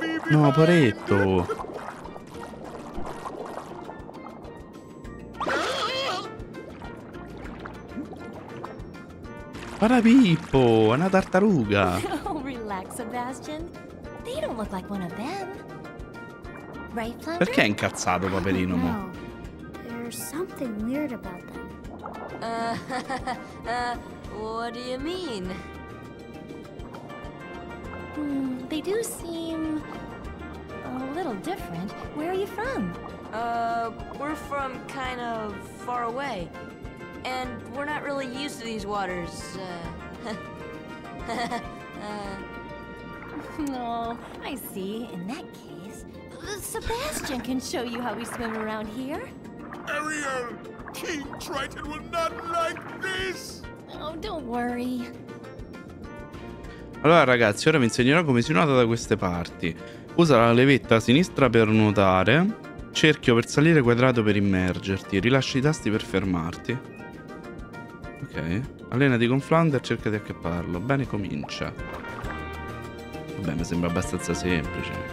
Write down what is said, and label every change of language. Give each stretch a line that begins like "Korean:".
Italian: No, paretto. Guarda Pippo, è una tartaruga.
English: Sebastian, they don't look like one of them. Right, Flounder?
Italian: Perché è incazzato, Paperino?
English: No, there's something weird about them. What do you mean? They do seem a little different. Where are you from? We're from kind of far away, and we're not really used to these waters. No, I see. In that case, Sebastian can show you how we swim around here. Ariel, King Triton will not like this. Oh, don't worry.
Italian: Allora, ragazzi, ora vi insegnerò come si nuota da queste parti. Usa la levetta sinistra per nuotare, cerchio per salire, quadrato per immergerti. Rilascia i tasti per fermarti. Ok. Allenati con Flounder, cerca di accapparlo. Bene, comincia. Beh, mi sembra abbastanza semplice.